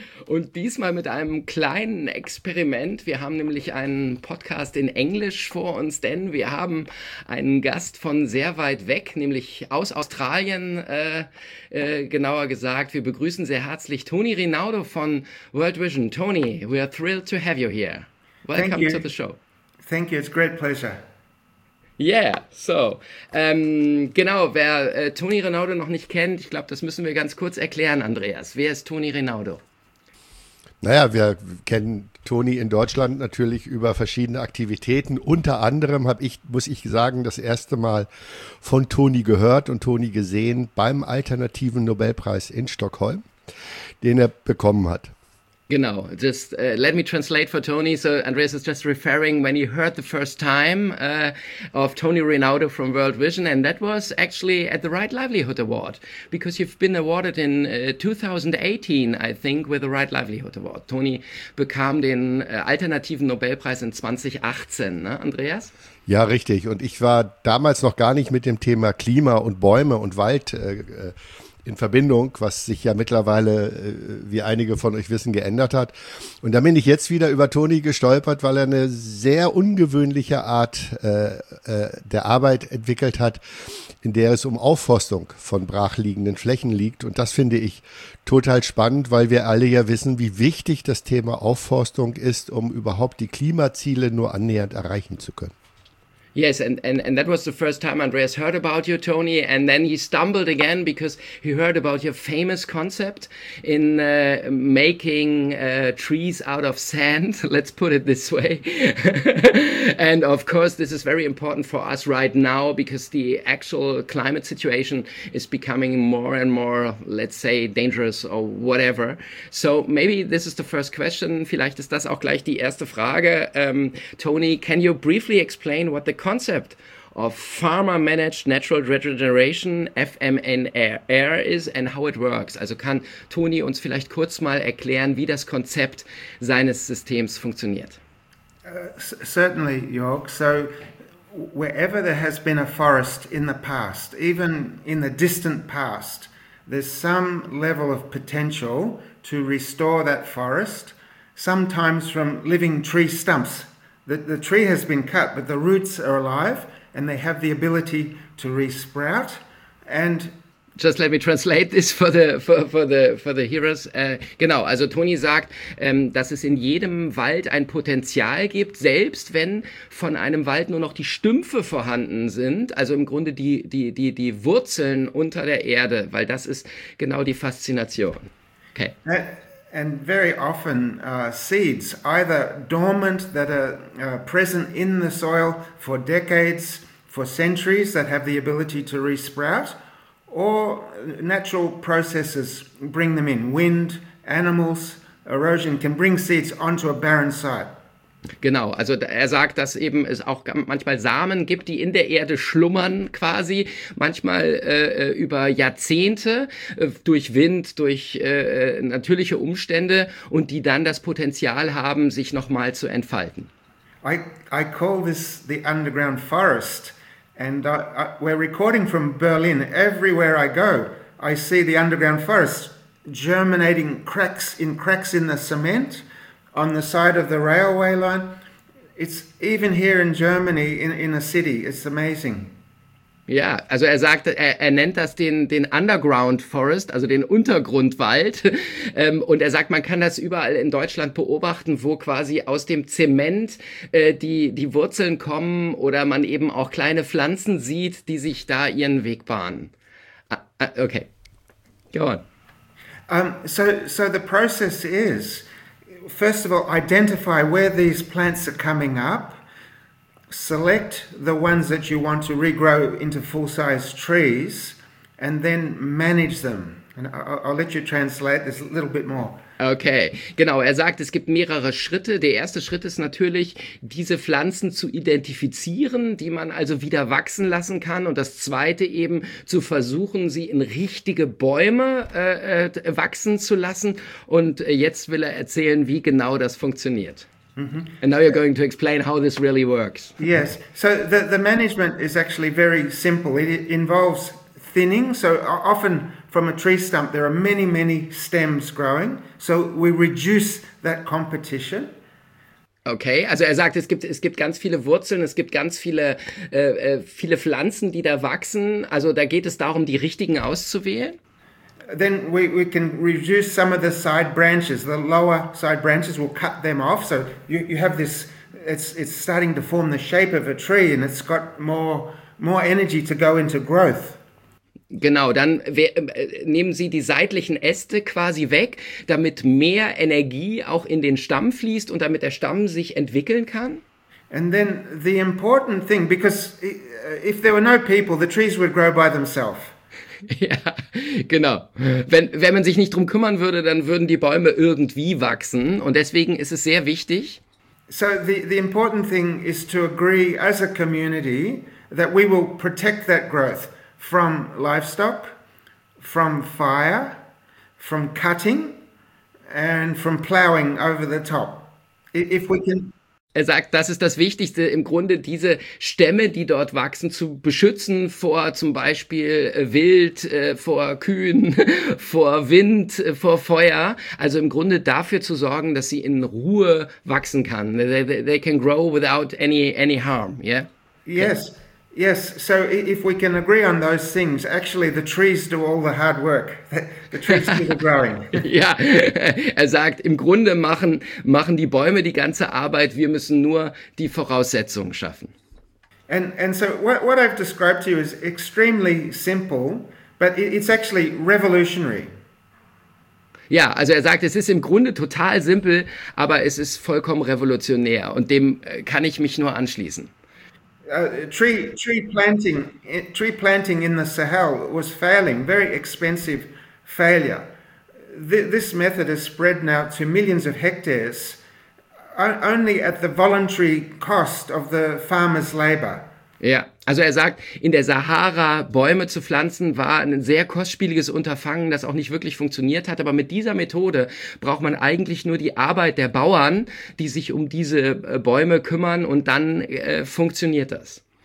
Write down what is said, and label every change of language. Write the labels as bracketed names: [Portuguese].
[German] Und diesmal mit einem kleinen Experiment. Wir haben nämlich einen Podcast in Englisch vor uns, denn wir haben einen Gast von sehr weit weg, nämlich aus Australien, genauer gesagt. Wir begrüßen sehr herzlich Tony Rinaudo von World Vision. [English] Tony, we are thrilled to have you here. Welcome to the show. Thank you, it's a great pleasure. [German] Yeah, so, genau, wer Tony Rinaudo noch nicht kennt, ich glaube, das müssen wir ganz kurz erklären, Andreas. Wer ist Tony Rinaudo? Naja, wir kennen Tony in Deutschland natürlich über verschiedene Aktivitäten. Unter anderem habe ich, muss ich sagen, das erste Mal von Tony gehört und Tony gesehen beim Alternativen Nobelpreis in Stockholm, den er bekommen hat. Genau, [English] just let me translate for Tony. So Andreas is just referring when he heard the first time of Tony Rinaudo from World Vision, and that was actually at the Right Livelihood Award, because you've been awarded in 2018, I think, with the Right Livelihood Award. [German] Tony bekam den alternativen Nobelpreis in 2018, ne, Andreas? Ja, richtig. Und ich war damals noch gar nicht mit dem Thema Klima und Bäume und Wald in Verbindung, was sich ja mittlerweile, wie einige von euch wissen, geändert hat. Und da bin ich jetzt wieder über Tony gestolpert, weil er eine sehr ungewöhnliche Art der Arbeit entwickelt hat, in der es um Aufforstung von brachliegenden Flächen liegt. Und das finde ich total spannend, weil wir alle ja wissen, wie wichtig das Thema Aufforstung ist, um überhaupt die Klimaziele nur annähernd erreichen zu können. [English] Yes, and that was the first time Andreas heard about you, Tony, and then he stumbled again because he heard about your famous concept in making trees out of sand, let's put it this way. And of course, this is very important for us right now because the actual climate situation is becoming more and more, let's say, dangerous or whatever. [German] So maybe this is the first question, vielleicht ist das auch gleich die erste Frage. [English] Tony, can you briefly explain what the concept of farmer managed natural regeneration FMNR is and how it works. [German] Also kann Tony uns vielleicht kurz mal erklären, wie das Konzept seines Systems funktioniert? [English] Certainly, Jörg. So wherever there has been a forest in the past, even in the distant past, there's some level of potential to restore that forest, sometimes from living tree stumps. The tree has been cut, but the roots are alive and they have the ability to re-sprout. And just let me translate this for the hearers. [German] Genau, also Tony sagt, dass es in jedem Wald ein Potenzial gibt, selbst wenn von einem Wald nur noch die Stümpfe vorhanden sind, also im Grunde die Wurzeln unter der Erde, weil das ist genau die Faszination. [English] Okay. And very often seeds, either dormant that are present in the soil for decades, for centuries, that have the ability to re-sprout, or natural processes bring them in. Wind, animals, erosion can bring seeds onto a barren site. [German] Genau, also er sagt, dass eben es auch manchmal Samen gibt, die in der Erde schlummern quasi, manchmal über Jahrzehnte durch Wind, durch natürliche Umstände und die dann das Potenzial haben, sich nochmal zu entfalten. [English] I call this the underground forest and we're recording from Berlin. Everywhere I go, I see the underground forest germinating cracks in the cement. On the side of the railway line, it's even here in Germany in a city. It's amazing. [German] Ja, also er sagt, er nennt das den [English] Underground Forest, [German] also den Untergrundwald. Und er sagt, man kann das überall in Deutschland beobachten, wo quasi aus dem Zement die Wurzeln kommen oder man eben auch kleine Pflanzen sieht, die sich da ihren Weg bahnen. [English] Okay, go on. So the process is, first of all, identify where these plants are coming up. Select the ones that you want to regrow into full-size trees and then manage them. And I'll let you translate this a little bit more. [German] Okay, genau. Er sagt, es gibt mehrere Schritte. Der erste Schritt ist natürlich, diese Pflanzen zu identifizieren, die man also wieder wachsen lassen kann. Und das zweite eben, zu versuchen, sie in richtige Bäume wachsen zu lassen. Und jetzt will er erzählen, wie genau das funktioniert. [English] Mm-hmm. And now you're going to explain how this really works. Yes, so the management is actually very simple. It involves thinning, so often from a tree stump there are many, many stems growing, so we reduce that competition. [German] Okay, also er sagt, es gibt ganz viele Wurzeln, es gibt ganz viele viele Pflanzen, die da wachsen, also da geht es darum, die richtigen auszuwählen. [English] Then we can reduce some of the side branches, the lower side branches, we'll cut them off, so you have this, it's starting to form the shape of a tree and it's got more energy to go into growth. [German] Genau, dann nehmen Sie die seitlichen Äste quasi weg, damit mehr Energie auch in den Stamm fließt und damit der Stamm sich entwickeln kann. [English] And then the important thing, because if there were no people, the trees would grow by themselves. [German] Ja, genau. Wenn man sich nicht drum kümmern würde, dann würden die Bäume irgendwie wachsen und deswegen ist es sehr wichtig. [English] So the important thing is to agree as a community that we will protect that growth. From livestock, from fire, from cutting and from plowing over the top. If we can. [German] Er sagt, das ist das Wichtigste im Grunde, diese Stämme, die dort wachsen, zu beschützen vor zum Beispiel Wild, vor Kühen, vor Wind, vor Feuer. Also im Grunde dafür zu sorgen, dass sie in Ruhe wachsen kann. [English] They can grow without any harm, yeah? Yes. Okay. Yes, so if we can agree on those things, actually the trees do all the hard work. The trees do the growing. [German] Ja, er sagt, im Grunde machen die Bäume die ganze Arbeit, wir müssen nur die Voraussetzungen schaffen. [English] And so what I've described to you is extremely simple, but it's actually revolutionary. [German] Ja, also er sagt, es ist im Grunde total simpel, aber es ist vollkommen revolutionär und dem kann ich mich nur anschließen. [English] Tree planting in the Sahel was failing, very expensive failure. This method has spread now to millions of hectares, only at the voluntary cost of the farmer's labor. [German] Ja, also er sagt, in der Sahara Bäume zu pflanzen war ein sehr kostspieliges Unterfangen, das auch nicht wirklich funktioniert hat. Aber mit dieser Methode braucht man eigentlich nur die Arbeit der Bauern, die sich um diese Bäume kümmern und dann funktioniert das.